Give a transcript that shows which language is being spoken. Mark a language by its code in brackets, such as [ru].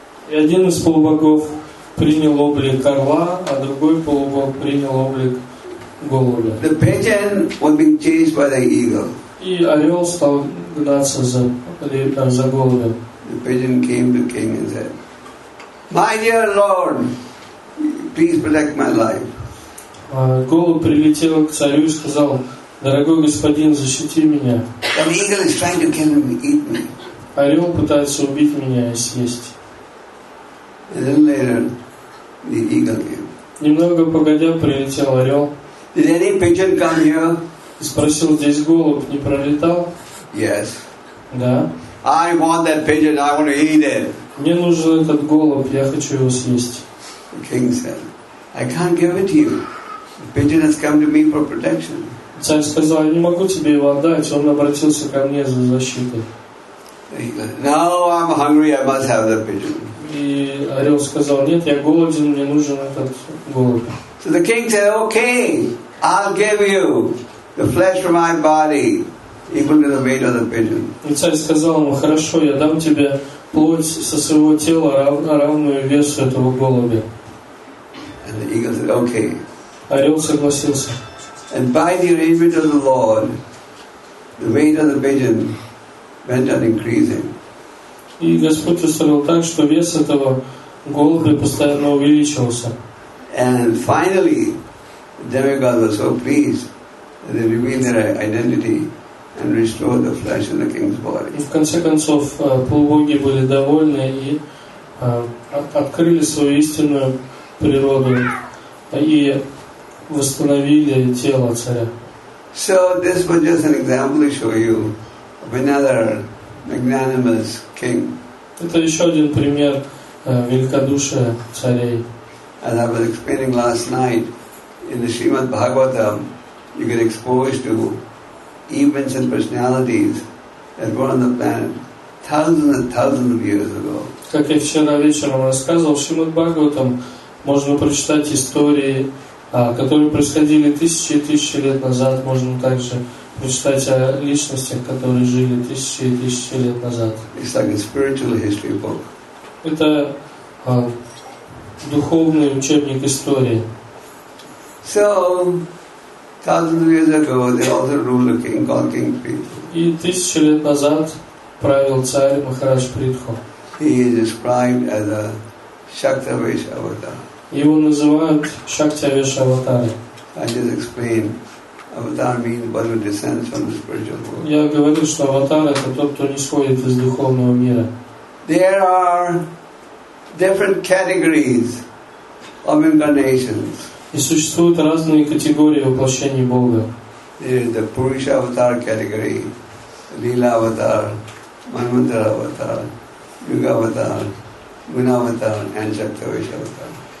[ru] И один из полубогов принял облик орла, а другой полубог принял облик голубя. [en] The pigeon was being chased by the eagle. [ru] И орел стал гнаться за голубем. [en] The pigeon came to king and said, "My dear lord, please protect my life." [ru] Голубь прилетел к царю и сказал, "Дорогой господин, защити меня." [en] The eagle is trying to kill me, eat me. [ru] Орел пытается убить меня и съесть. [en] And then later, the eagle came. [ru] Немного погодя прилетел орел. [en] Did any pigeon come here? [ru] И спросил, здесь голубь не пролетал? [en] Yes. [ru] Да. [en] I want that pigeon. I want to eat it. [ru] Мне нужен этот голубь. Я хочу его съесть. [en] The king said, "I can't give it to you. The pigeon has come to me for protection." [ru] Царь сказал, "Я не могу тебе его отдать." Он обратился ко мне за защитой. [en] No, I'm hungry. I must have the pigeon. [ru] И орел сказал, нет, я голоден, мне нужен этот голубь. [en] So the king said, "Okay, I'll give you the flesh from my body, equal to the weight of the pigeon." [ru] И царь сказал ему, хорошо, я дам тебе плоть со своего тела, равную весу этого голубя. [en] And the eagle said, "Okay." [ru] Орел согласился. [en] And by the arrangement of the Lord, the weight of the pigeon went on increasing. [ru] И Господь устроил так, что вес этого голубя постоянно увеличивался. [en] And finally, the demigods were so pleased that they revealed their identity and restored the flesh in the king's body. [ru] И в конце концов полубоги были довольны и открыли свою истинную природу и восстановили тело царя. [en] So this was just an example to show you of another magnanimous king. [ru] Это еще один пример великодушия царей. [en] As I was explaining last night, in the Srimad Bhagavatam, you get exposed to events and personalities that were on the planet thousands and thousands of years ago. [ru] Как я вчера вечером рассказывал, в Шримад Бхагаватам можно прочитать истории, которые происходили тысячи и тысячи лет назад. Можно также прочитать о личностях, которые жили тысячи и тысячи лет назад. [en] It's like a spiritual history book. [ru] Это духовный учебник истории. [en] So, thousands of years ago, they also ruled a king called King Pritha. [ru] И тысячи лет назад правил царь Махарадж Притху. [en] He is described as a Shaktavesha avatar. [ru] Его называют Шактавеш аватар. [en] I just explained, avatar means one who descends from the spiritual world. [ru] Я говорил, что аватар — это тот, кто нисходит из духовного мира. [en] There are different categories of incarnations. [ru] И существуют разные категории воплощений Бога. [en] There is the Purusha avatar category, Lila avatar, Manvantara avatar, Yuga avatar, Guna avatar, and Shaktavesha avatar.